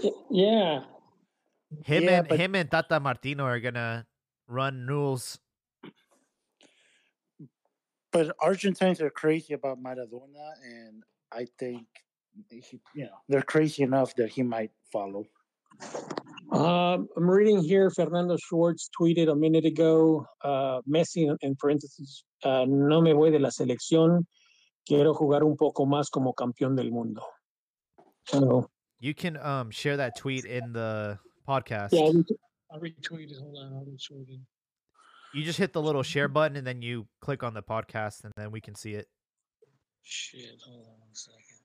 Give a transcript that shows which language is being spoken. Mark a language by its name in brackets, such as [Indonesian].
[English] Yeah. Him and Tata Martino are going to run Newell's. But Argentines are crazy about Maradona, and I think they're crazy enough that he might follow. I'm reading here, [Spanish] Fernando Schwartz [English] tweeted a minute ago, [Spanish] Messi, [English] in parentheses, [Spanish] no me voy de la selección, quiero jugar un poco más como campeón del mundo. [English] So, you can share that tweet in the podcast. Yeah, I'll retweet it. You just hit the little share button, and then you click on the podcast, and then we can see it. Shit, hold on one second.